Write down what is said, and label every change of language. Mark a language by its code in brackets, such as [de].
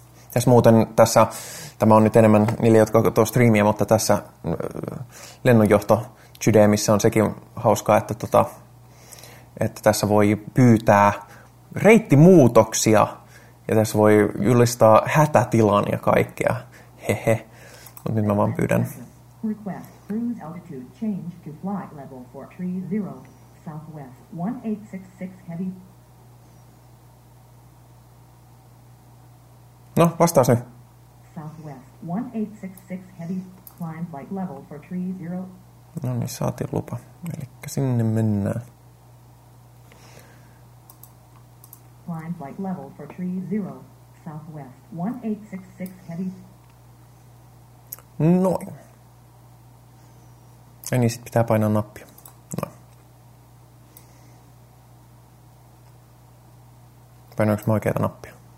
[fi] Tässä muuten tässä, tämä on nyt enemmän niille, jotka katsoo striimiä, mutta tässä lennonjohto-judeemissä on sekin hauskaa, että tässä voi pyytää reittimuutoksia ja tässä voi julistaa hätätilan ja kaikkea. Hehe. Mutta nyt mä vaan pyydän. [en] Request cruise altitude change to flight level 430 southwest 1866 heavy. [fi] No, vastaas nyt. [en] Southwest 1866 heavy climb flight level 430. [fi] No niin, saatiin lupa. Elikkä sinne mennään. [en] Climb flight level 430 southwest 1866 heavy. [fi] Noin. Ja niin, sit pitää painaa nappia. Noin. Painoinko mä oikeita nappia?